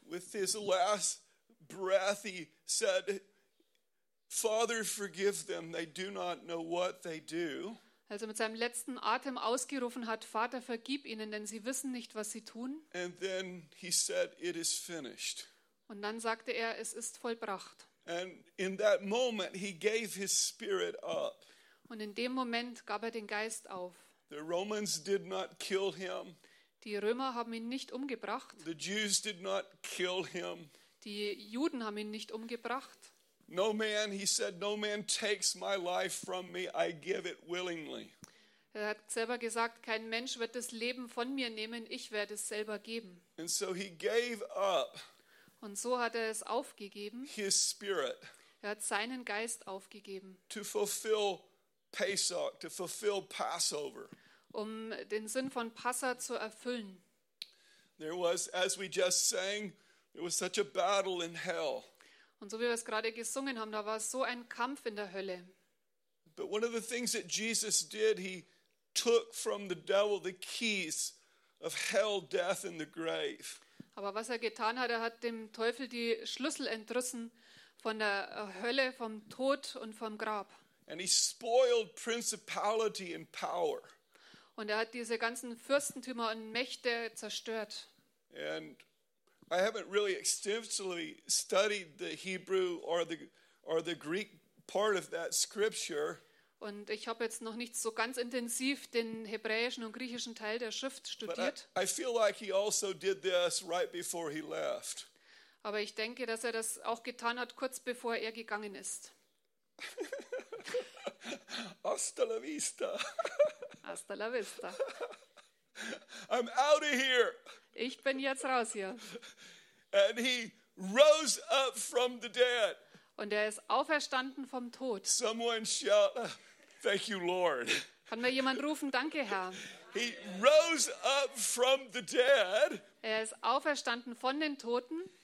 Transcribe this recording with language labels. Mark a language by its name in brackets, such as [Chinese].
[English] with his last breath he said, "Father, forgive them, they do not know what they do." [German] Als er mit seinem letzten Atem ausgerufen hat, Vater, vergib ihnen, denn sie wissen nicht, was sie tun. [English] And then he said, "It is finished." [German] Und dann sagte er, es ist vollbracht. [English] And in that moment he gave his spirit up. [German] Und in dem Moment gab er den Geist auf. [English] The Romans did not kill him. [German] Die Römer haben ihn nicht umgebracht. [English] The Jews did not kill him. [German] Die Juden haben ihn nicht umgebracht. [English] No man, he said, no man takes my life from me, I give it willingly. [German] Er hat selber gesagt, kein Mensch wird das Leben von mir nehmen, ich werde es selber geben. [English] And so he gave up. [German] Und so hat er es aufgegeben. [English] His spirit. [German] Er hat seinen Geist aufgegeben. [English] To fulfill Pesach, to fulfill Passover. [German] Um den Sinn von Passa zu erfüllen. [English] There was, as we just sang, there was such a battle in hell. [German] Und so wie wir es gerade gesungen haben, da war so ein Kampf in der Hölle. [English] But one of the things that Jesus did, he took from the devil the keys of hell, death and the grave. [German] Aber was er getan hat, er hat dem Teufel die Schlüssel entrissen von der Hölle, vom Tod und vom Grab. [English] And he spoiled principality and power. [German] Und er hat diese ganzen Fürstentümer und Mächte zerstört. [English] And I haven't really extensively studied the Hebrew or the Greek part of that scripture. [German] Und ich habe jetzt noch nicht so ganz intensiv den hebräischen und griechischen Teil der Schrift studiert. [English] But I feel like he also did this right before he left. [German] Aber ich denke, dass er das auch getan hat kurz bevor er gegangen ist. [Spanish] Hasta la vista. Hasta la vista. [English] I'm out of here. [German] Ich bin jetzt raus hier. [English] And he rose up from the dead. [German] Und ist auferstanden vom Tod. [English] Someone shout, "Thank you, Lord." [German] Kann mir jemand rufen, "Danke, Herr"? [English] He rose up from the dead. [German] Ist auferstanden von den Toten.